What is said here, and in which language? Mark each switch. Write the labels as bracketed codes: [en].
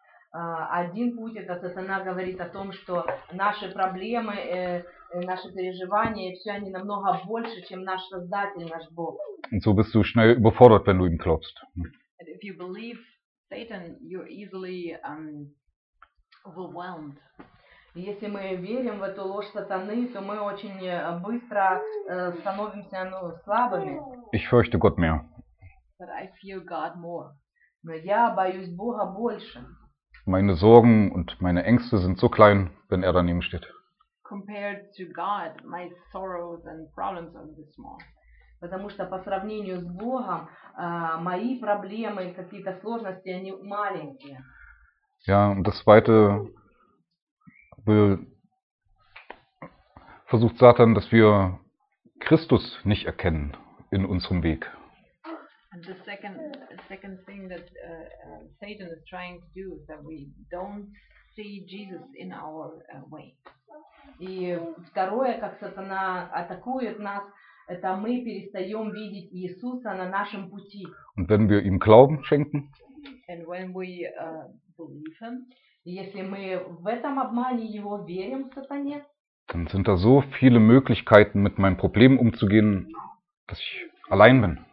[ru] Один путь, это сатана говорит о том, что наши проблемы, наши переживания, все они намного больше, чем наш Создатель, наш Бог. [de] Und so bist du schnell überfordert, wenn du ihm glaubst. [en] And if you believe Satan, you're easily overwhelmed. [ru] Если мы верим в эту ложь сатаны, то мы очень быстро становимся слабыми. [de] Ich fürchte Gott mehr. [en] But I fear God more. [ru] Но я боюсь Бога больше. [de] Meine Sorgen und meine Ängste sind so klein, wenn er daneben steht. [en] Compared to God, my sorrows and problems are this small. [ru] Потому что по сравнению с Богом, мои проблемы, какие-то сложности, они маленькие. [de] Ja, und das Zweite, versucht Satan, dass wir Christus nicht erkennen in unserem Weg. [en] And the second thing that Satan is trying to do is that we don't see Jesus in our way. [ru] И второе, как сатана атакует нас, это мы перестаем видеть Иисуса на нашем пути. [de] Und wenn wir ihm Glauben schenken, [en] and when we believe him, [ru] если мы в этом обмане его верим сатане, [de] dann sind da so viele Möglichkeiten, mit meinem Problem umzugehen, dass ich allein bin.